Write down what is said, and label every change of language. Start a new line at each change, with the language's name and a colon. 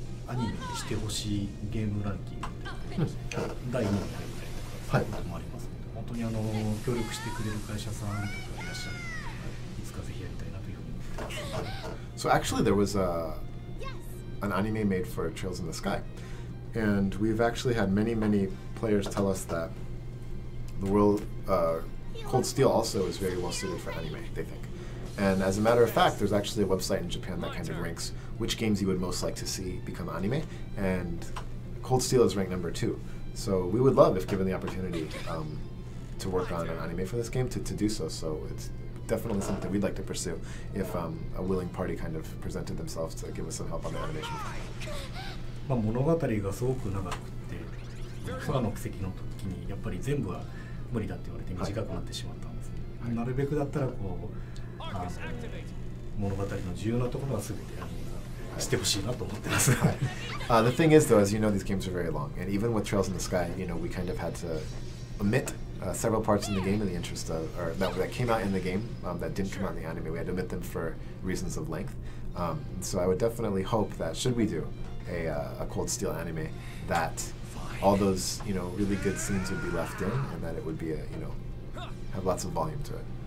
Japanese: アニメにしてほしいゲームランキング第2位に入ったりとかそういうこともありますので、本当にあの協力してくれる会社さんとかいらっしゃるので、いつかぜひやりたいなというふうに思ってます。
English: So actually there was an anime made for Trails in the Sky, and we've actually had many, many players tell us that the world, Cold Steel also is very well suited for anime, they think. And as a matter of fact, there's actually a website in Japan that kind of ranks which games you would most like to see become anime, and Cold Steel is ranked number 2. So we would love, if given the opportunity, to work on an anime for this game, to do so. So it's definitely something we'd like to pursue if a willing party kind of presented themselves to give us some help on the animation.
Japanese: まあ物語がすごく長くて、空の奇跡の時にやっぱり全部は無理だって言われて短くなってしまったんですね。なるべくだったらこう、物語の重要なところはすべてアニメにしてほしいなと思ってます。
English: The thing is, though, as you know, these games are very long, and even with Trails in the Sky, you know, we kind of had to omit several parts in the game in the interest of, or that came out in the game that didn't come out in the anime. We had to omit them for reasons of length. So I would definitely hope that should we do a Cold Steel anime, that all those, you know, really good scenes would be left in, and that it would be a, you know, have lots of volume to it.